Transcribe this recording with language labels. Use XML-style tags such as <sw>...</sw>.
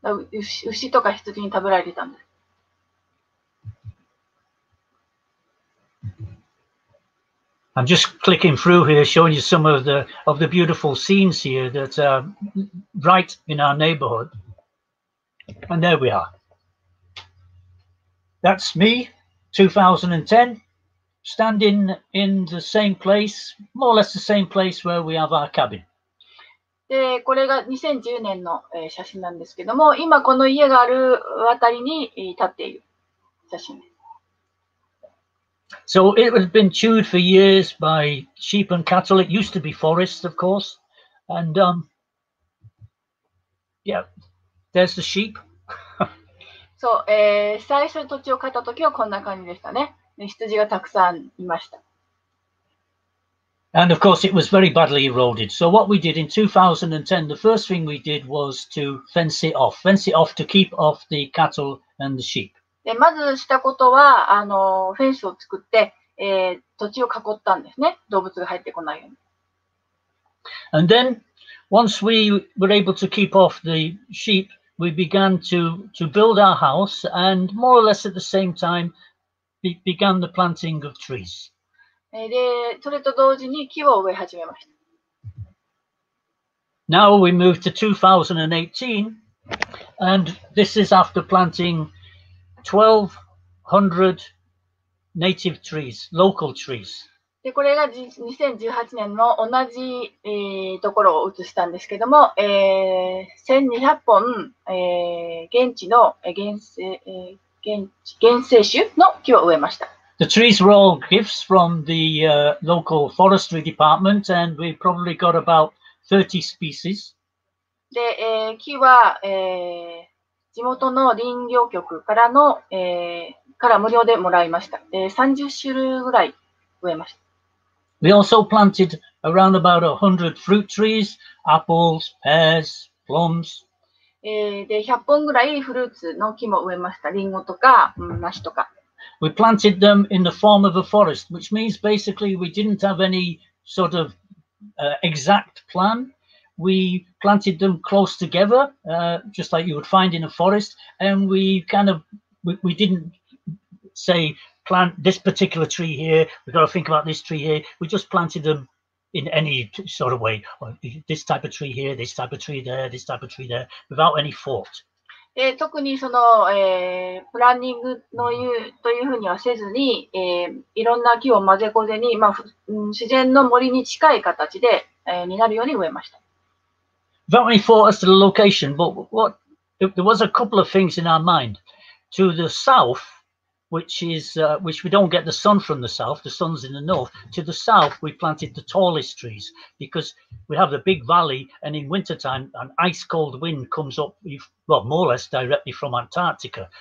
<ja>牛とか羊に食べられていたんです。</ja> <en>I'm just clicking through here, showing you some of the beautiful scenes here that are right in our neighborhood. And there we are. That's me, 2010, standing in the same place, more or less the same place where we have our cabin.</en> <ja>で、これが2010年の写真なんですけども、今この家があるあたりに立っている写真です。</ja> <en>So it has been chewed for years by sheep and cattle. It used to be forest, of course. And there's the sheep.</en> <ja>そう、最初の土地を買った時はこんな感じでしたね。羊がたくさんいました。</ja> <en>And of course, it was very badly eroded. So what we did in 2010, the first thing we did was to fence it off to keep off the cattle and the sheep.</en> <ja>でまずしたことは、フェンスを作って、土地を囲ったんですね。動物が入ってこないように。</ja> <en>And then, once we were able to keep off the sheep, we began to build our house and more or less at the same time, began the planting of trees.</en> <ja>で、それと同時に木を植え始めました。</ja> <en>Now we move to 2018, and this is after planting 1200 native trees, local trees.</en> <ja>で、これが2018年の同じ、ところを写したんですけども、1200本、現地の原生種の木を植えました。</ja> <en>The trees were all gifts from the local forestry department, and we probably got about 30 species.</en> <ja>で、木は、地元の林業局からの、から無料でもらいました。 30種類ぐらい植えました。</ja> <en>We also planted around about 100 fruit trees, apples, pears, plums.</en> <ja>で、100本ぐらいフルーツの木も植えました。リンゴとか、梨とか。</ja> <en>We planted them in the form of a forest, which means basically we didn't have any sort of exact plan. We planted them close together, just like you would find in a forest, and we didn't say plant this particular tree here, we've got to think about this tree here. We just planted them in any sort of way, this type of tree here, this type of tree there, this type of tree there, without any thought.</en> <ja>特にその、プランニングのというふうにはせずに、いろんな木を混ぜこぜに、まあ、自然の森に近い形で、になるように植えました。</ja> <en>Without any thought as to the location, but what there was a couple of things in our mind. To the south, which we don't get the sun from the south, the sun's in the north. To the south, we planted the tallest trees because we have the big valley, and in wintertime, an ice cold wind comes up, more or less directly from Antarctica.</en>